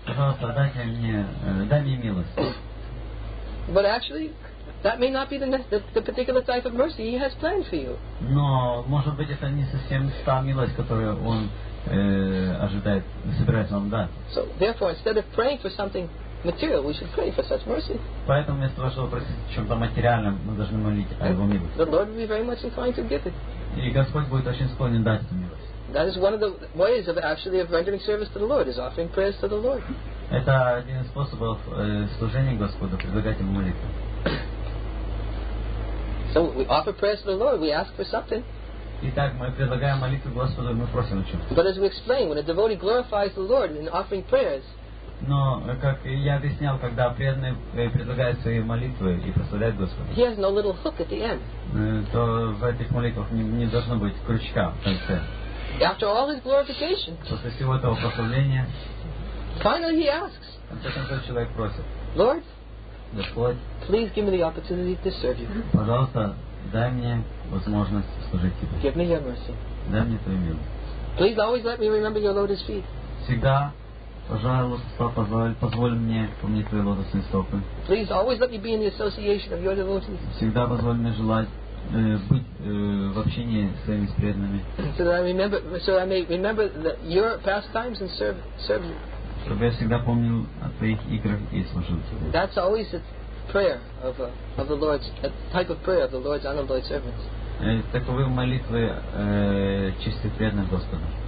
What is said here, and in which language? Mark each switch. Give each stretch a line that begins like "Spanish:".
Russian: Пожалуйста, дай мне милость.
English: But actually, that may not be the particular type of mercy he has planned for you.
Russian: Но, может быть, это не совсем та милость, которую он ожидает, собирается вам дать.
English: So, therefore, instead of praying for something material, we should pray for such mercy.
Russian: Поэтому вместо того, чтобы просить о чем-то материальном, мы должны молить о его милости.
English: The Lord will be very much inclined to give it.
Russian: И Господь будет очень склонен дать эту милость.
English: That is one of the ways of actually of rendering service to the Lord, is offering prayers to the Lord.
Russian: Это один из способов служения Господу, предлагать ему молитву.
English: So we offer prayers to the Lord, we ask for something.
Russian: Итак, мы предлагаем молитву Господу, мы просим о чем-то.
English: But as we explain, when a devotee glorifies the Lord in offering prayers.
Russian: Но, как я объяснял, когда преданный предлагает свои молитвы и прославляет Господа,
English: he has no little hook at the end.
Russian: То в этих молитвах не должно быть крючка в конце.
English: After all his glorification,
Russian: после всего этого прославления,
English: finally he asks,
Russian: человек просит,
English: Lord,
Russian: Господь,
English: please give me the opportunity to serve you.
Russian: Пожалуйста, дай мне возможность служить Тебе.
English: Give me your mercy.
Russian: Дай мне Твою милость.
English: Please always let me remember your lotus feet.
Russian: Всегда. Пожалуйста, позволь мне помнить твои лотосные стопы.
English: Please always let me be in the association of your devotees.
Russian: Всегда позволь мне желать быть в общении с своими преданными.
English: So I may remember that your pastimes and serve you.
Russian: Чтобы я всегда помнил о твоих играх и служил тебе.
English: That's always a prayer of the Lord's, a type of prayer of the Lord's unalloyed servants.
Russian: Таковы молитвы чистых преданных Господа.